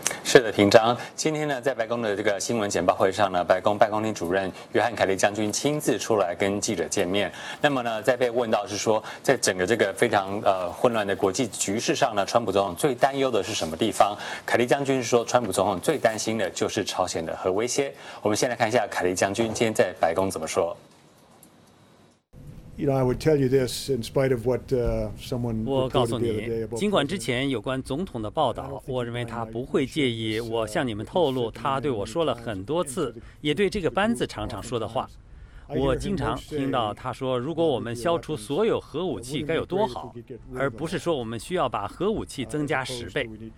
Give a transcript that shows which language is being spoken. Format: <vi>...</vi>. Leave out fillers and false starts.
<zh>是的，平章，今天呢，在白宫的这个新闻简报会上呢，白宫办公厅主任约翰凯利将军亲自出来跟记者见面。那么呢，在被问到是说，在整个这个非常混乱的国际局势上呢，川普总统最担忧的是什么地方？凯利将军说，川普总统最担心的就是朝鲜的核威胁。我们先来看一下凯利将军今天在白宫怎么说。</zh> <en>You know, I would tell you this, in spite of what someone.</en> <zh>我告诉你，尽管之前有关总统的报道，我认为他不会介意我向你们透露他对我说了很多次，也对这个班子常常说的话。我经常听到他说，如果我们消除所有核武器该有多好，而不是说我们需要把核武器增加10倍。</zh>